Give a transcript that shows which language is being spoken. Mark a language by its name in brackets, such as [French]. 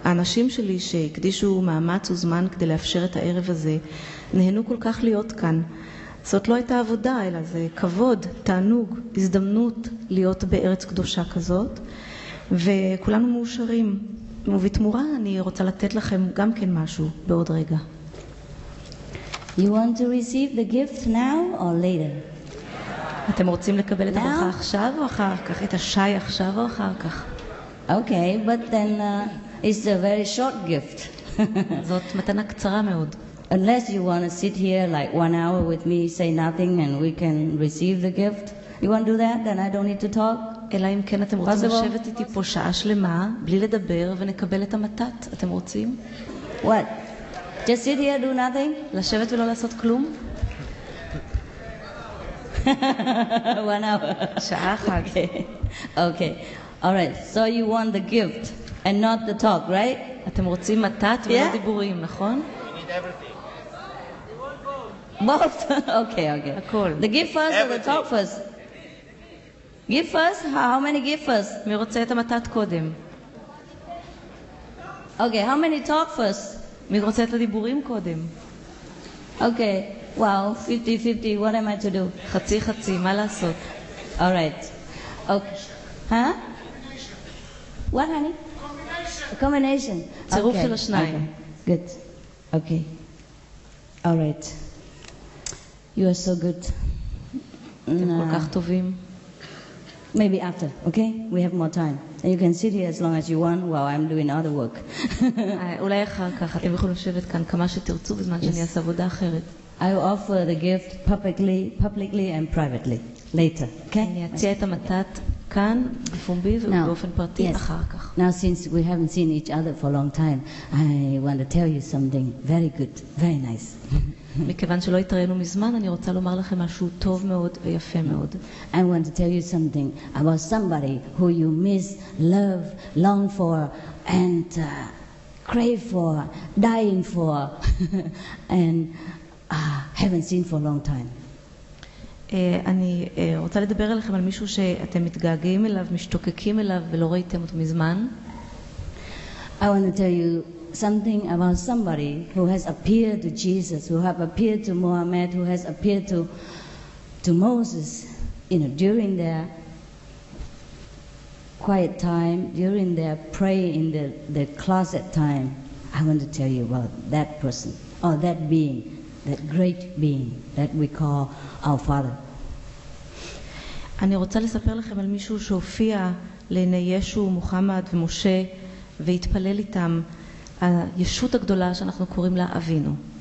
[Hebrew] האנשים שלי שהקדישו מאמץ וזמן כדי לאפשר את הערב הזה, נהנו כל כך להיות כאן. זאת לא הייתה עבודה, אלא זה כבוד, תענוג, הזדמנות להיות בארץ קדושה כזאת. וכולנו מאושרים. ובתמורה אני רוצה לתת לכם גם כן משהו בעוד רגע. [English] You want to receive the gift now or later? [Hebrew] אתם רוצים לקבל את הברכה עכשיו או אחר כך? את השי עכשיו או אחר כך? [English] Okay, but then it's a very short gift. [Hebrew] זאת מתנה קצרה מאוד. [English] Unless you want to sit here like 1 hour with me, say nothing, and we can receive the gift. You want to do that? Then I don't need to talk. [Hebrew] אלא אם כן אתם רוצים לשבת איתי פה שעה שלמה, בלי לדבר, ונקבל את המתת. אתם רוצים? [English] What? Just sit here, do nothing? [Hebrew] לשבת ולא לעשות כלום? [English] One hour. [Hebrew] שעה אחת. [English] Okay. Okay. All right. So you want the gift and not the talk, right? [Hebrew] אתם רוצים מתת ולא דיבורים, נכון? [English] Everything. Both? Okay, okay. [Hebrew] הכל. [English] The gift first or the talk first? Gift first? How many gift first? [Hebrew] מי רוצה את המתת קודם? [English] Okay, how many talk first? [Hebrew] מי רוצה את הדיבורים קודם? [English] Okay, wow, 50-50, what am I to do? [Hebrew] חצי-חצי, מה לעשות? [English] All right. Okay. Huh? What, honey? Combination. [Hebrew] צירוף של השניים. [English] Okay. Good. Okay. All right. You are so good. Maybe after, okay? We have more time. And you can sit here as long as you want while I'm doing other work. [Hebrew] אולי אחר כך, אתם יכולים לשבת כאן כמה שתרצו בזמן שאני אעשה עבודה אחרת. [English] I will offer the gift publicly and privately later. Okay? [Hebrew] אני אציע את המתת כאן בפומבי ובאופן פרטי אחר כך. [English] Now, since we haven't seen each other for a long time, I want to tell you something very good, very nice. [Hebrew] מכיוון שלא התראינו מזמן, אני רוצה לומר לכם משהו טוב מאוד ויפה מאוד. [English] I want to tell you something about somebody who you miss, love, long for, and crave for, dying for, and haven't seen for a long time. [Hebrew] אני רוצה לדבר אליכם על מישהו שאתם מתגעגעים אליו, משתוקקים אליו ולא ראיתם אותו מזמן. [English] I want to tell you something about somebody who has appeared to Jesus, who have appeared to Muhammad, who has appeared to Moses, you know, during their quiet time, during their praying in the closet time. I want to tell you about that person or that being, that great being that we call our Father. [Hebrew] אני רוצה לספר לכם על מישהו שהופיע לעיני ישו, מוחמד ומשה והתפלל איתם, הישות הגדולה שאנחנו קוראים לה אבינו.